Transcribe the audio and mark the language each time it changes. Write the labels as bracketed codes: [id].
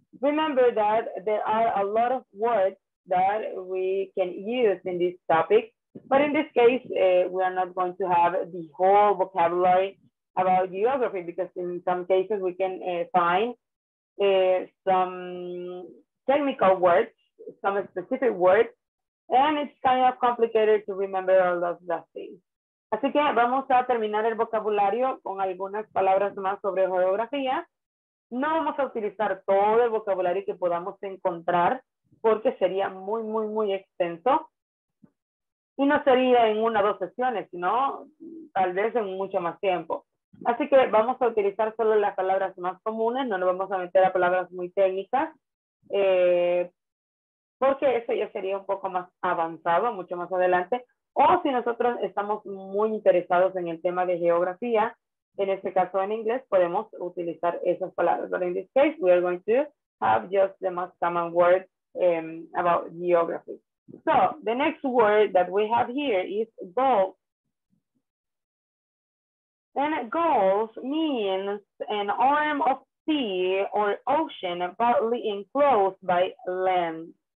[en] Remember that there are a lot of words that we can use in this topic, but in this case, we are not going to have the whole vocabulary about geography, because in some cases we can find some technical words, some specific words, and it's kind of complicated to remember all of those things. [es] Así que vamos a terminar el vocabulario con algunas palabras más sobre geografía. No vamos a utilizar todo el vocabulario que podamos encontrar porque sería muy, muy, muy extenso. Y no sería en una o dos sesiones, sino tal vez en mucho más tiempo. Así que vamos a utilizar solo las palabras más comunes, no nos vamos a meter a palabras muy técnicas, porque eso ya sería un poco más avanzado, mucho más adelante. O si nosotros estamos muy interesados en el tema de geografía, en este caso en inglés, podemos utilizar esas palabras. [en] But in this case, we are going to have just the most common words about geography. So, the next word that we have here is goal. And goals means an arm of sea or ocean partly enclosed by land.